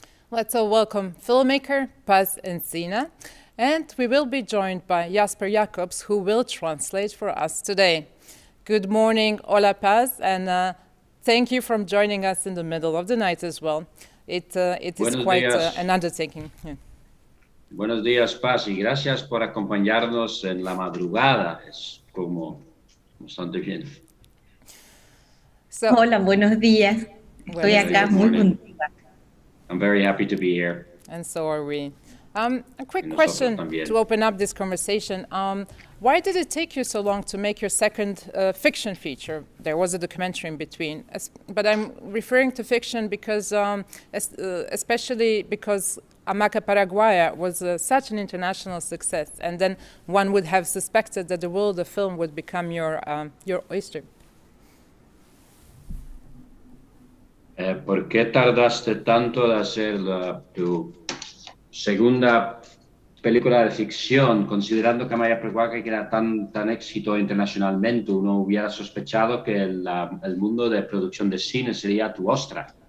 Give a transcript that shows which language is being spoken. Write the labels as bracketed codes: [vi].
[en] Let's all welcome filmmaker Paz Encina, and we will be joined by Jasper Jacobs, who will translate for us today. Good morning, hola Paz, and thank you for joining us in the middle of the night as well. It is quite an undertaking. Yeah. [es] Buenos días, Paz, y gracias por acompañarnos en la madrugada. Es como bastante bien. So, hola, buenos días. Estoy acá muy contenta. [en] I'm very happy to be here. And so are we. A quick question to open up this conversation. Why did it take you so long to make your second fiction feature? There was a documentary in between, but I'm referring to fiction because, especially because Amaca Paraguaya was such an international success, and then one would have suspected that the world of film would become your oyster. [es] ¿Por qué tardaste tanto de hacer tu segunda película de ficción, considerando que Amaca Paraguaya era tan éxito internacionalmente? Uno hubiera sospechado que el mundo de producción de cine sería tu ostra.